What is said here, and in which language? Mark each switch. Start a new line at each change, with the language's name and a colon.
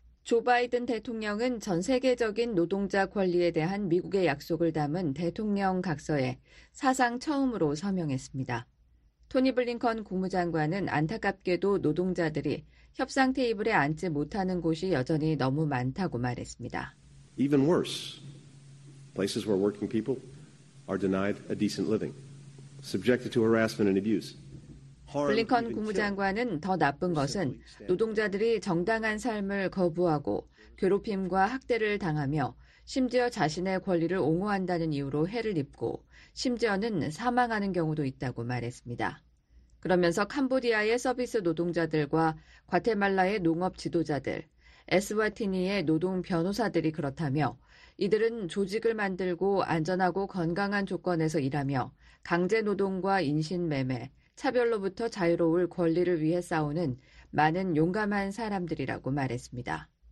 Korean: 조 바이든 대통령은 전 세계적인 노동자 권리에 대한 미국의 약속을 담은 대통령 각서에 사상 처음으로 서명했습니다. 토니 블링컨 국무장관은 안타깝게도 노동자들이 협상 테이블에 앉지 못하는 곳이 여전히 너무 많다고 말했습니다.
English: Even worse, places where working people are denied a decent living, subjected to harassment and abuse.
Korean: 블링컨 국무장관은 더 나쁜 것은 노동자들이 정당한 삶을 거부하고 괴롭힘과 학대를 당하며 심지어 자신의 권리를 옹호한다는 이유로 해를 입고 심지어는 사망하는 경우도 있다고 말했습니다. 그러면서 캄보디아의 서비스 노동자들과 과테말라의 농업 지도자들, 에스와티니의 노동 변호사들이 그렇다며 이들은 조직을 만들고 안전하고 건강한 조건에서 일하며 강제 노동과 인신매매, 차별로부터 자유로울 권리를 위해 싸우는 많은 용감한 사람들이라고 말했습니다.